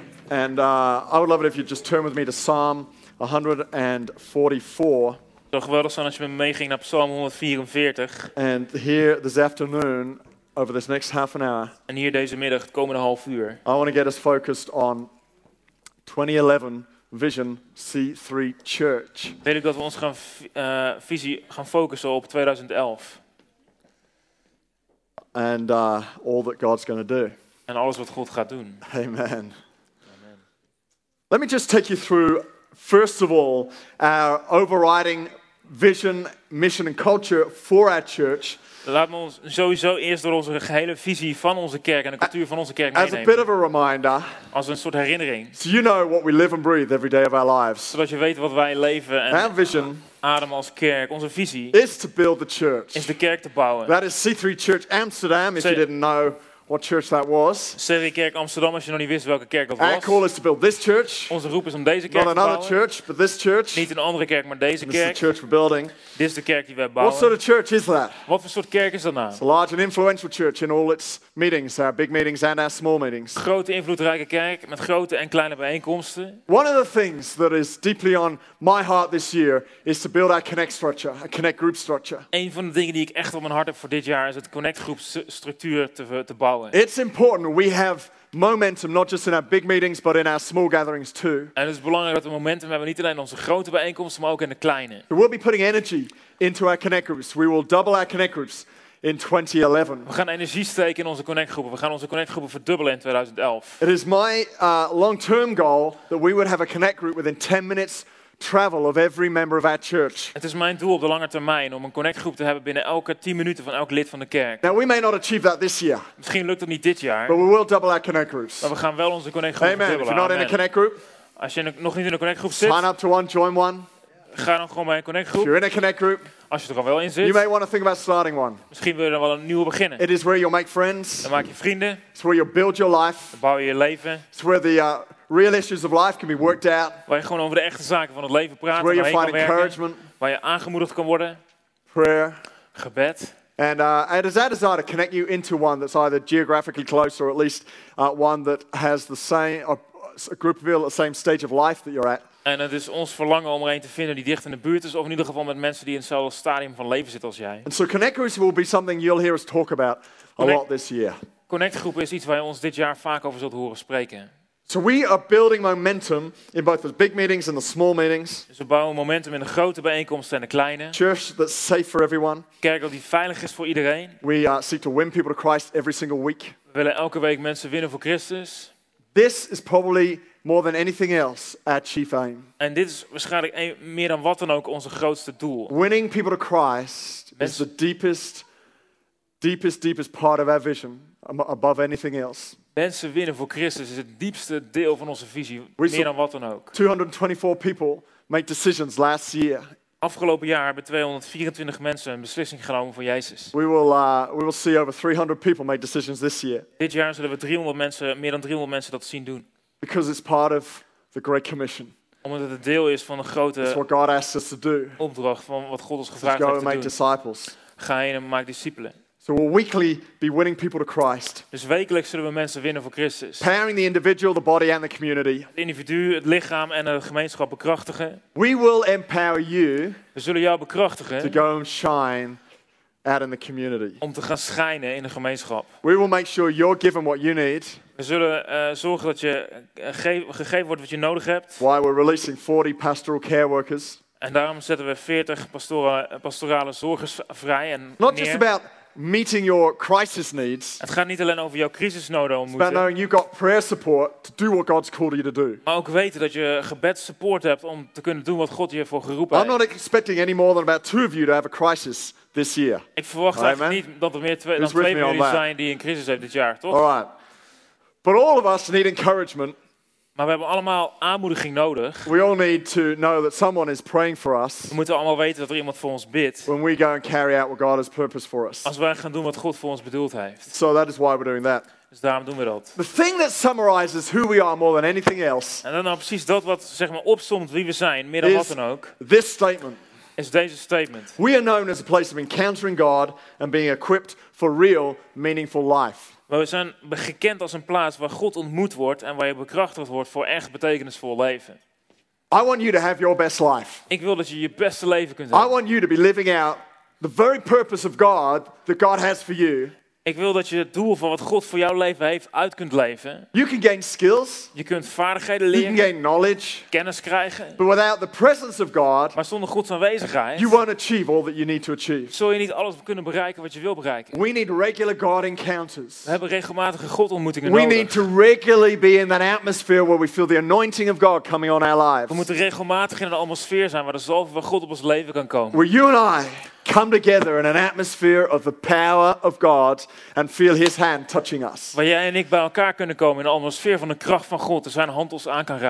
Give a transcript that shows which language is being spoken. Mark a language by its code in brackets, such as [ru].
[en] And I would love it if you just turn with me to Psalm 144. [nl] Het zou geweldig zijn als je met me meeging naar Psalm 144. [en] And here this afternoon, over this next half an hour. [nl] En hier deze middag, het komende half uur. [en] I want to get us focused on 2011 Vision C3 Church. [nl] Weet ik dat we ons gaan gaan focussen op 2011. [en] And all that God's going to do. [nl] En alles wat God gaat doen. [en] Amen. Amen. Let me just take you through, first of all, our overriding vision, mission and culture for our church. [nl] Laat me ons sowieso eerst door onze gehele visie van onze kerk en de cultuur van onze kerk meenemen. [en] As a bit of a reminder. [nl] Als een soort herinnering. [en] So you know what we live and breathe every day of our lives. [nl] Zodat je weet wat wij leven en [en] our vision [nl] ademen als kerk. Onze visie [en] is to build the church. [nl] Is de kerk te bouwen. [en] That is C3 Church Amsterdam, if you didn't know what church that was. [nl] C3 Kerk Amsterdam, als je nog niet wist welke kerk dat was. [en] Our call is to build this church. [nl] Onze roep is om deze kerk te bouwen. [en] Not another church, but this church. [nl] Niet een andere kerk, maar deze kerk. [en] This is the church we're building. [nl] Dit is de kerk die we bouwen. [en] What sort of church is that? [nl] Wat voor soort kerk is dat nou? [en] It's a large and influential church in all its meetings, our big meetings and our small meetings. [nl] Grote invloedrijke kerk met grote en kleine bijeenkomsten. [en] One of the things that is deeply on my heart this year is to build our connect structure, a connect group structure. [nl] Een van de dingen die ik echt op mijn hart heb voor dit jaar is het connect groep structuur te bouwen. [en] It's important we have momentum not just in our big meetings but in our small gatherings too. [nl] En het is belangrijk dat we momentum hebben niet alleen in onze grote bijeenkomsten maar ook in de kleine. [en] We will be putting energy into our connect groups. We will double our connect groups in 2011. [nl] We gaan energie steken in onze connect groepen. We gaan onze connect groepen verdubbelen in 2011. [en] It is my long-term goal that we would have a connect group within 10 minutes travel of every member of our church. [nl] Het is mijn doel op de lange termijn om een connect groep te hebben binnen elke 10 minuten van elk lid van de kerk. [en] Now we may not achieve that this year. [nl] Misschien lukt het niet dit jaar. [en] But we will double our connect groups. [nl] Maar we gaan wel onze connect groepen verdubbelen. [en] Amen. If you're not in a connect group, [nl] als je nog niet in een connect groep [en] sign [nl] zit, [en] sign up to one, join one. [nl] Ga dan gewoon bij een connect groep. [en] If you're in a connect group, [nl] als je er al wel in zit, [en] you may want to think about starting one. [nl] Misschien wil je dan wel een nieuwe beginnen. [en] It is where you'll make friends. [nl] Dan maak je vrienden. [en] It's where you'll build your life. [nl] Dan bouw je je leven. [en] It's where the real issues of life can be worked out. [nl] Waar je gewoon over de echte zaken van het leven praat. [en] Where you find encouragement. [nl] Waar je aangemoedigd kan worden. [en] Prayer. [nl] Gebed. [en] And it is our desire to connect you into one that's either geographically close or at least one that has the same a group of people at the same stage of life that you're at. [nl] En het is ons verlangen om er een te vinden die dicht in de buurt is, of in ieder geval met mensen die in hetzelfde stadium van leven zitten als jij. [en] And so connect groups will be something you'll hear us talk about a lot this year. [nl] Connect groepen is iets waar je ons dit jaar vaak over zult horen spreken. [en] So we are building momentum in both the big meetings and the small meetings. [nl] Dus we bouwen momentum in de grote bijeenkomsten en de kleine. [en] Church that's safe for everyone. [nl] Kerk die veilig is voor iedereen. [en] We seek to win people to Christ every single week. [nl] We willen elke week mensen winnen voor Christus. [en] This is probably more than anything else our chief aim. [nl] En dit is waarschijnlijk meer dan wat dan ook onze grootste doel. [en] Winning people to Christ is the deepest part of our vision above anything else. [nl] Mensen winnen voor Christus is het diepste deel van onze visie, meer dan wat dan ook. [en] 224 people made decisions last year. [nl] Afgelopen jaar hebben 224 mensen een beslissing genomen voor Jezus. [en] We will see over 300 people make decisions this year. [nl] Dit jaar zullen we meer dan 300 mensen dat zien doen. [en] Because it's part of the Great Commission. [nl] Omdat het een deel is van de grote opdracht van wat God ons gevraagd heeft te doen. [en] Go and make disciples. [nl] Ga heen en maak discipelen. [en] So we'll weekly be winning people to Christ. [nl] Dus wekelijks zullen we mensen winnen voor Christus. [en] Powering the individual, the body and the community. [nl] Het individu, het lichaam en de gemeenschap bekrachtigen. [en] We will empower you. [nl] We zullen jou bekrachtigen. [en] To go and shine out in the community. [nl] Om te gaan schijnen in de gemeenschap. [en] We will make sure you're given what you need. [nl] We zullen zorgen dat je gegeven wordt wat je nodig hebt. [en] Why we're releasing 40 pastoral care workers. [nl] En daarom zetten we 40 pastorale zorgers vrij en neer. [en] Not just about meeting your crisis needs. [nl] Het gaat niet alleen over jouw crisisnoden om moeten. [en] But knowing you've got prayer support to do what God's called you to do. [nl] Maar ook weten dat je gebedssupport hebt om te kunnen doen wat God je voor geroepen heeft. [en] I'm not expecting any more than about two of you to have a crisis this year. [nl] Ik verwacht eigenlijk niet dat er meer dan twee van jullie zijn die een crisis hebben dit jaar, toch? [en] All right. But all of us need encouragement. [nl] Maar we hebben allemaal aanmoediging nodig. [en] We all need to know that someone is praying for us. [nl] We moeten allemaal weten dat er iemand voor ons bidt. [en] When we go and carry out what God has purposed for us. [nl] Als wij gaan doen wat God voor ons bedoeld heeft. [en] So that is why we're doing that. [nl] Dus daarom doen we dat. [en] The thing that summarizes who we are more than anything else. [nl] En dan nou precies dat wat zeg maar opsomt wie we zijn, meer dan wat dan ook. [en] This statement. [nl] is deze statement. [en] We are known as a place of encountering God and being equipped for real, meaningful life. [nl] We zijn gekend als een plaats waar God ontmoet wordt en waar je bekrachtigd wordt voor echt betekenisvol leven. [en] I want you to have your best life. [nl] Ik wil dat je je beste leven kunt hebben. [en] I want you to be living out the very purpose of God that God has for you. [nl] Ik wil dat je het doel van wat God voor jouw leven heeft uit kunt leven. [en] You can gain skills. [nl] Je kunt vaardigheden leren. [en] You can gain knowledge. [nl] Kennis krijgen. [en] But without the presence of God, [nl] maar zonder Gods aanwezigheid, [en] you won't achieve all that you need to achieve. [nl] Zul je niet alles kunnen bereiken wat je wil bereiken. [en] We need regular God encounters. [nl] We hebben regelmatige God ontmoetingen [en] we [nl] nodig. [en] We need to regularly be in that atmosphere where we feel the anointing of God coming on our lives. [nl] We moeten regelmatig in een atmosfeer zijn waar de zalving van God op ons leven kan komen. [en] Where you and I come together in an atmosphere of the power of God and feel His hand touching us. [nl] Waar jij en ik bij elkaar kunnen komen in een atmosfeer van de kracht van God, en zijn hand ons aan kan raken.